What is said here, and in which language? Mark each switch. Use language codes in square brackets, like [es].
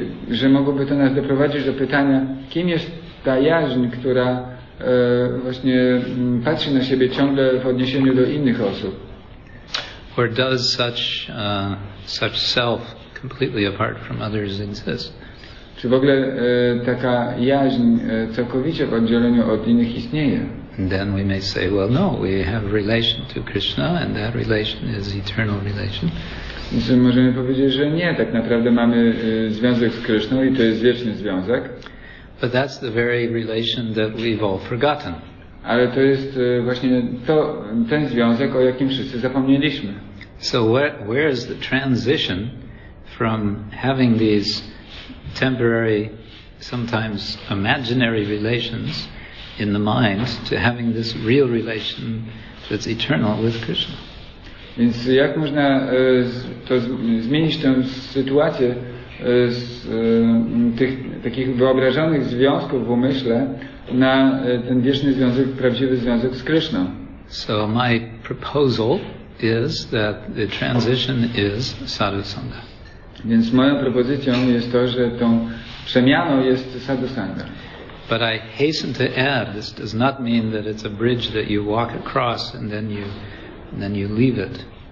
[pl] Że mogłoby to nas doprowadzić do pytania, kim jest ta jaźń, która właśnie patrzy na siebie ciągle w odniesieniu do innych osób? [en] Or does such such self completely apart from others exist? [pl] Czy w ogóle taka jaźń całkowicie w oddzieleniu od innych istnieje? [en] And then we may say, well, no, we have relation to Krishna, and that relation is eternal relation. [pl] Więc możemy powiedzieć, że nie, tak naprawdę mamy związek z Krishną i to jest wieczny związek. [en] But that's the very relation that we've all forgotten. [pl] Ale to jest właśnie to, ten związek, o jakim wszyscy zapomnieliśmy. [en] So where is the transition from having these temporary, sometimes imaginary relations in the mind to having this real relation that's eternal with Krishna? [pl] Więc jak można to zmienić tę sytuację z tych takich wyobrażonych związków w umyśle na ten wieczny związek, prawdziwy związek z Krishną? [en] So my proposal is that the transition is sadhusanga. [pl] Więc moją propozycją jest to, że tą przemianą jest sadhusanga. [en] But I hasten to add, this does not mean that it's a bridge that you walk across and then you leave it.